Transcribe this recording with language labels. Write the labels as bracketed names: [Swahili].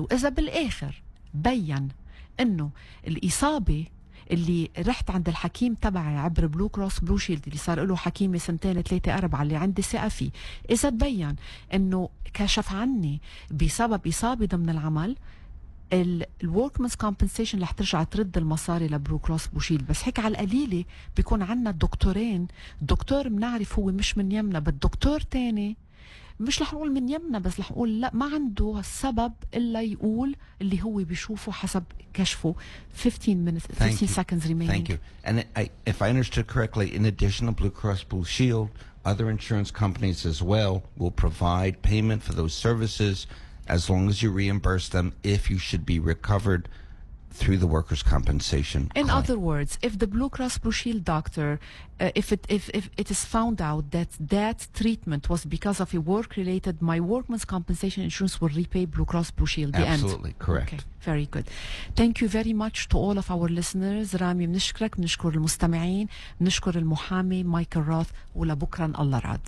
[Arabic] وإذا بالآخر بين أنه الإصابة اللي رحت عند الحكيم تبعي عبر بلو كروس بلو شيلد اللي صار له حكيمي سنتين ثلاثة أربعة اللي عندي ثقة فيه, إذا تبين أنه كشف عني بسبب إصابة ضمن العمل, الوركمنز كومبنسيشن رح ترجع ترد المصاري لبلو كروس بلو شيلد. بس هيك على القليلة بيكون عنا دكتورين, دكتور منعرف هو مش من يمنا, بالدكتور تاني مش رح نقول من يمنا بس رح نقول لا ما عنده السبب إلا يقول اللي هو بيشوفه حسب كشفه. [English] 15 seconds remaining. Thank you. And if I understood correctly, in addition to Blue Cross Blue Shield, other insurance companies as well will provide payment for those services as long as you reimburse them if you should be recovered through the workers' compensation. In other words, if the Blue Cross Blue Shield doctor, if it is found out that that treatment was because of a work-related, my workman's compensation insurance will repay Blue Cross Blue Shield. Absolutely, correct. Okay. Very good. Thank you very much to all of our listeners. [Arabic] Rami, بنشكرك, بنشكر المستمعين, بنشكر المحامي مايكل روث, ولبكرا الله رعد.